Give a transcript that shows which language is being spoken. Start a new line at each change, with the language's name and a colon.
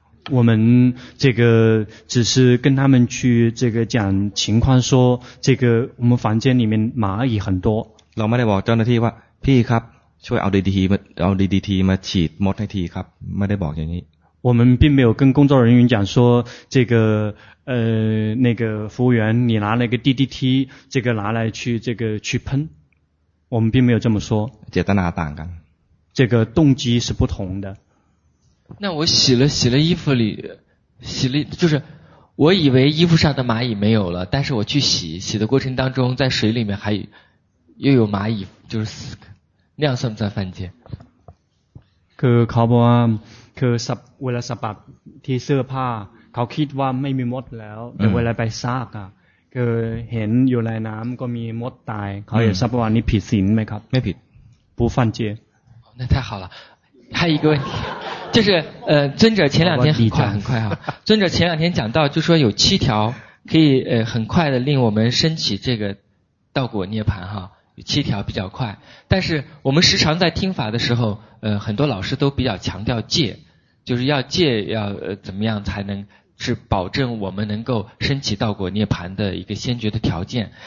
Chinese: 我们这个只是跟他们去这个讲情况，说这个我们房间里面蚂蚁很多。
Thai: เราไม่ได้บอกเจ้าหน้าที่ว่าพี่ครับช่วยเอาดีดีทีมาฉีดมดให้ทีครับไม่ได้บอกอย่างนี้。
Chinese: 我们并没有跟工作人员讲说这个那个服务员你拿那个 DDT 这个拿来去这个去喷，我们并没有这么说。
Thai: เจตนาต่างกัน。
Chinese: 这个动机是不同的。那我洗了衣服里，洗了就是，我以为衣服上的蚂蚁没有了，但是我去洗的过程当中，在水里面还又有蚂蚁，就是死，那样算不算犯戒？
Thai: คือเขาบอกว่าคือสับเวลาสับปากที่เสื้อผ้าเขาคิดว่าไม่มีมดแล้วแต่เวลาไปซักอ่ะคือเห็นอยู่ในน้ำก็มีมดตายเขาอยากทราบว่านี่ผิดศีลไหมครับ ไม่ผิด
Chinese: 不犯戒那太好了还有一个问题就是尊者前两天很快啊，尊者前两天讲到，就说有七条可以很快的令我们升起这个道果涅槃哈，有七条比较快。但是我们时常在听法的时候，很多老师都比较强调戒，就是要戒要怎么样才能是保证我们能够升起道果涅槃的一个先决的条件。